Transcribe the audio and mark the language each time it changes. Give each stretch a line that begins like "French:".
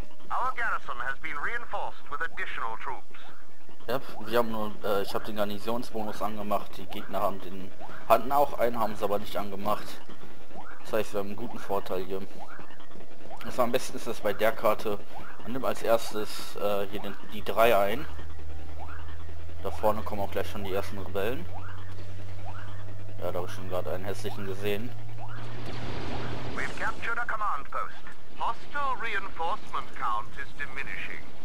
English: Our garrison has been reinforced with additional troops.
German: Ja, wir haben nur, ich habe den Garnisonsbonus angemacht, die Gegner haben den, hatten auch einen, haben es aber nicht angemacht. Das heißt, wir haben einen guten Vorteil hier. Also am besten ist das bei der Karte, man nimmt als erstes hier die drei ein. Da vorne kommen auch gleich schon die ersten Rebellen. Ja, da habe ich schon gerade einen hässlichen gesehen.
English: We've captured a command post. Hostile reinforcement count is diminishing.